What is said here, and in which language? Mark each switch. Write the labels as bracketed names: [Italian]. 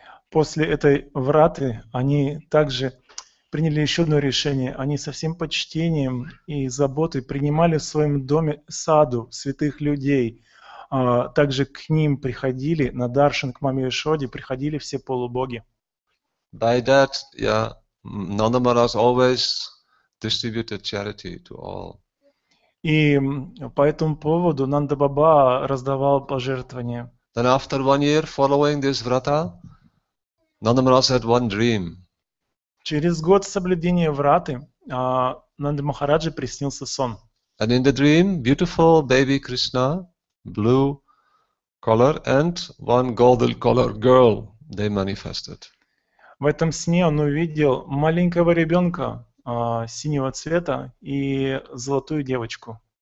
[Russian] После этой враты они также приняли еще одно решение. Они со всем почтением и заботой принимали в своем доме саду, святых людей. Также к ним приходили на даршан к маме Яшоде, приходили все полубоги. [English] By that, yeah, Nanda Maharaj always distributed charity to all. [Russian] И по этому поводу Нанда Баба раздавал пожертвования. [English] Then after one year following this vrata, Nanda Maharaj had one dream. [Russian] Через год соблюдения враты Нанда Махараджи приснился сон. [English] And in the dream, beautiful baby Krishna. Blue color and one golden color girl they manifested. [Russian] В этом сне он увидел маленького ребенка синего цвета и золотую девочку.